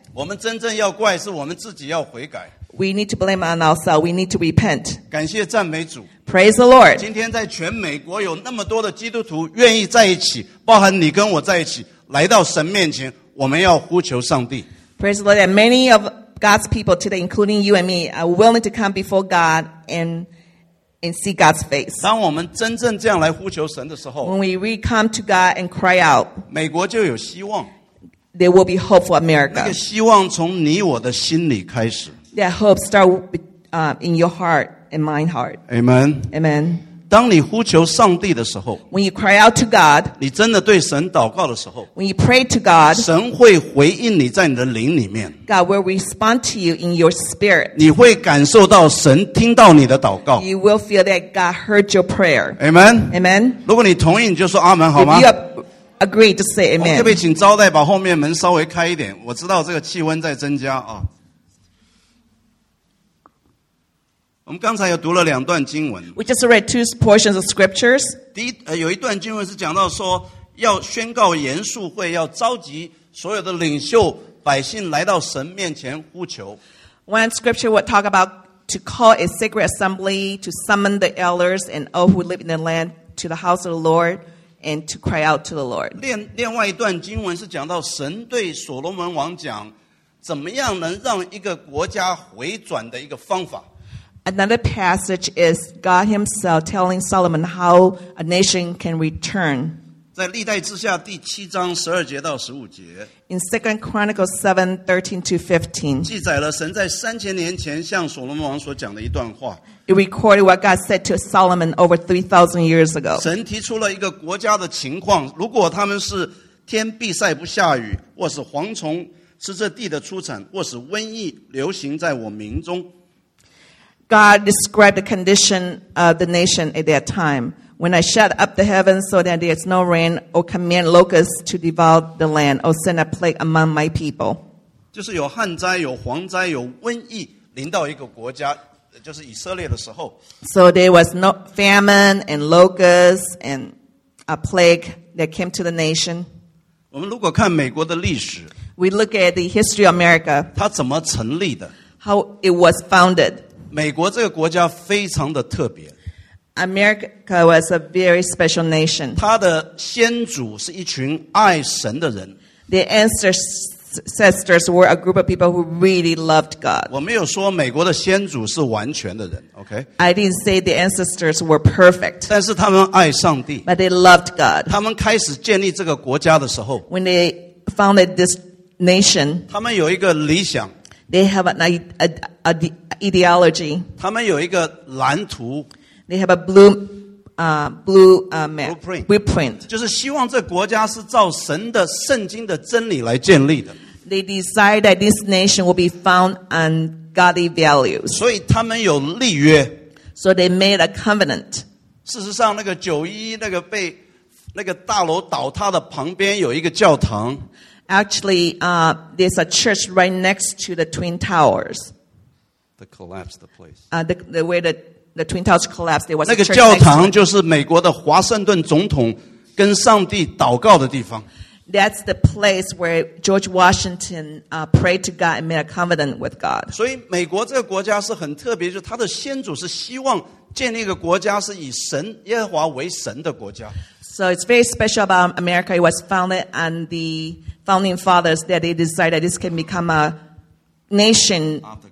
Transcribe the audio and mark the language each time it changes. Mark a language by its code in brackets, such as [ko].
[zh] 我们真正要怪是我们自己要悔改。 [en] We need to blame on ourselves. We need to repent. [zh] 感谢赞美主。 [en] Praise the Lord. [zh] 今天在全美国有那么多的基督徒愿意在一起，包含你跟我在一起，来到神面前，我们要呼求上帝。 [en] Praise the Lord. And many of God's people today, including you and me, are willing to come before God and and see God's face. [zh] 当我们真正这样来呼求神的时候 [en] When we really come to God and cry out, [zh] 美国就有希望 [en] There will be hope for America. [zh] 那个希望从你我的心里开始 [en] That hope starts in your heart and my heart. Amen. Amen. [zh] 当你呼求上帝的时候 [en] When you cry out to God, [zh] 你真的对神祷告的时候 [en] When you pray to God, [zh] 神会回应你在你的灵里面 [en] God will respond to you in your spirit. [zh] 你会感受到神听到你的祷告 [en] You will feel that God heard your prayer. Amen. Amen. [zh] 如果你同意你就说阿们好吗 [en] If you agree, just say amen. [zh] 特别请招待把后面门稍微开一点我知道这个气温在增加啊。我们刚才有读了两段经文 [en] We just read two portions of scriptures [zh] 第一有一段经文是讲到说要宣告严肃会要召集所有的领袖百姓来到神面前呼求 [en] One scripture would talk about to call a secret assembly to summon the elders and all who live in the land to the house of the Lord and to cry out to the Lord [zh] 另外一段经文是讲到神对所罗门王讲怎么样能让一个国家回转的一个方法 [en] Another passage is God himself telling Solomon how a nation can return. [zh] 在历代志下第七章十二节到十五节 [en] In 2 Chronicles 7, 13 to 15, [zh] 记载了神在三千年前向所罗门王所讲的一段话 [en] It recorded what God said to Solomon over 3,000 years ago. [zh] 神提出了一个国家的情况如果他们是天必晒不下雨或是蝗虫吃这地的出产或是瘟疫流行在我民中 [en] God described the condition of the nation at that time. When I shut up the heavens so that there is no rain, or command locusts to devour the land, or send a plague among my people. [zh] 就是有旱灾、有蝗灾、有瘟疫临到一个国家，就是以色列的时候。 [en] So there was no famine and locusts and a plague that came to the nation. [zh] 我们如果看美国的历史 [en] We look at the history of America. [zh] 它怎么成立的 [en] How it was founded. [zh] 美国这个国家非常的特别。 [en] America was a very special nation. [zh] 它的先祖是一群爱神的人。 [en] The ancestors were a group of people who really loved God. [zh] 我没有说美国的先祖是完全的人 ,OK? [en] I didn't say the ancestors were perfect. [zh] 但是他们爱上帝。 [en] But they loved God. [zh] 他们开始建立这个国家的时候。 [en] When they founded this nation. [zh] 他们有一个理想。 [en] They have an ideology. [zh] 他们有一个蓝图。 [en] They have a blueprint. Blueprint. [zh] 就是希望这国家是照神的圣经的真理来建立的。 [en] They desire that this nation will be found on godly values. [zh] 所以他们有立约。 [en] So they made a covenant. [zh] 事实上，那个911那个被那个大楼倒塌的旁边有一个教堂。 [en] Actually, there's a church right next to the Twin Towers. The collapse, the place. The way that the Twin Towers collapsed, there was a church. [zh] 那个教堂就是美国的华盛顿总统跟上帝祷告的地方。 [en] That's the place where George Washington prayed to God and made a covenant with God. [zh] 所以美国这个国家是很特别，就是他的先祖是希望建立一个国家是以神耶和华为神的国家。 [en] So it's very special about America. It was founded on the founding fathers that they decided this can become a nation